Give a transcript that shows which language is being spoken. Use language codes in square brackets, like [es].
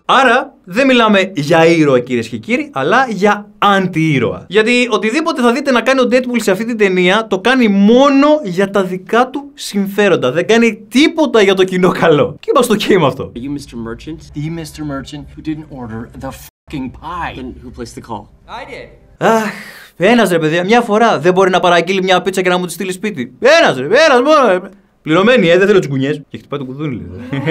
[el] Άρα, δεν μιλάμε για ήρωα κυρίες και κύριοι, αλλά για αντιήρωα. Γιατί οτιδήποτε θα δείτε να κάνει ο Deadpool σε αυτή την ταινία, το κάνει μόνο για τα δικά του συμφέροντα. Δεν κάνει τίποτα για το κοινό καλό. Και είμαστε okay με αυτό. [en] Are you Mr. Merchant? The Mr. Merchant who didn't order the f***ing pie. Then who placed the call? I did. [el] Αχ, ένας ρε παιδιά, μια φορά δεν μπορεί να παραγγείλει μια πίτσα και να μου τη στείλει σπίτι. Ένας μόνο. Πληρωμένη, δεν θέλω τσιγκουνιές. Και χτυπάει το κουδούνι, λέει.